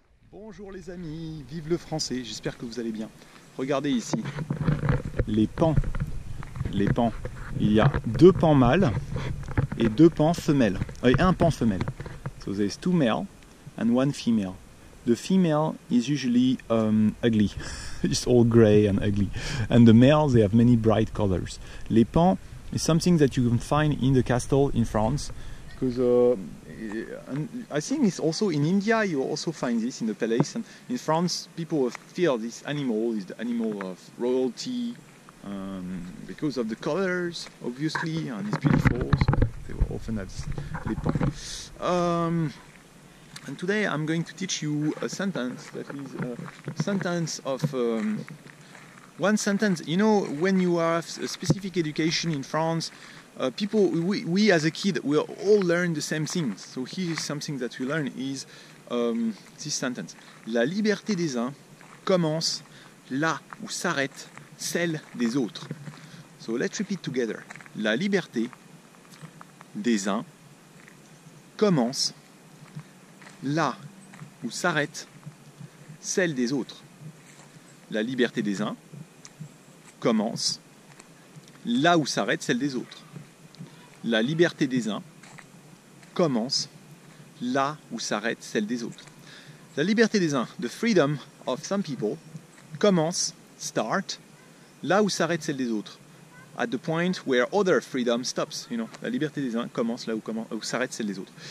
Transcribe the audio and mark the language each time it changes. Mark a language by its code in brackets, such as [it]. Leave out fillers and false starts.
[fr] Bonjour les amis, vive le français, j'espère que vous allez bien. Regardez ici, les pans, il y a deux pans mâles et deux pans femelles, et un pan femelle. [en] So there's two male and one female. The female is usually ugly, it's all grey and ugly. And the males, they have many bright colors. Les pans is something that you can find in the castle in France. Because I think it's also in India you also find this in the palace, and in France people feel this animal is the animal of royalty because of the colors, obviously, and it's beautiful, so they will often have les pans. And today I'm going to teach you a sentence that is a sentence of one sentence. You know, when you have a specific education in France, people, we as a kid, we all learn the same things. So here is something that we learn is this sentence. [fr] La liberté des uns commence là où s'arrête celle des autres. [en] So let's repeat together. [fr] La liberté des uns commence là où s'arrête celle des autres. La liberté des uns commence là où s'arrête celle des autres. La liberté des uns commence là où s'arrête celle des autres. La liberté des uns, [en] the freedom of some people, [fr] commence, [en] start, [fr] là où s'arrête celle des autres. [en] At the point where other freedom stops, you know. [fr] La liberté des uns commence là où s'arrête celle des autres.